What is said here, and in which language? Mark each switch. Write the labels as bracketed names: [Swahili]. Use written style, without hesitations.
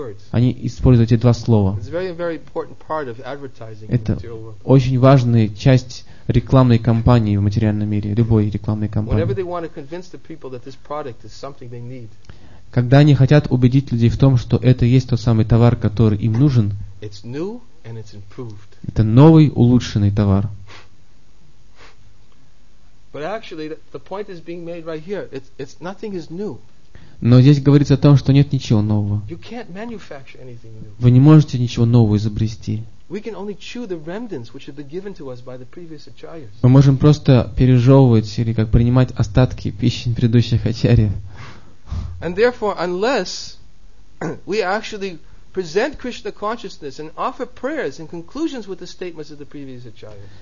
[Russian] Они используют эти два слова. Это очень важная часть рекламной кампании в материальном мире, любой рекламной кампании. когда они хотят убедить людей в том, что это есть тот самый товар, который им нужен, это новый, улучшенный товар. [English] But actually, the point is being made right here. It's nothing is new. [Russian] Но здесь говорится о том, что нет ничего нового. [English] You can't manufacture anything new. [Russian] Вы не можете ничего нового изобрести. [English] We can only chew the remnants which have been given to us by the previous acharyas. [Russian] Мы можем просто пережевывать или как принимать остатки пищи предыдущих ачарьев. [English] And therefore, unless we actually present Krishna consciousness and offer prayers and conclusions with the statements of the previous acharyas.